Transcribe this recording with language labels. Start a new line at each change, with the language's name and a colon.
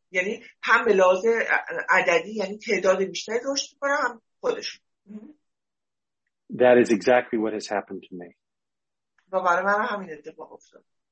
Persian: یعنی هم به لحاظ عددی یعنی تعداد بیشتری رشد میکنن هم خودشون.
English: That is exactly what has happened to me.
Persian: و برای من همین اتفاق افتاد.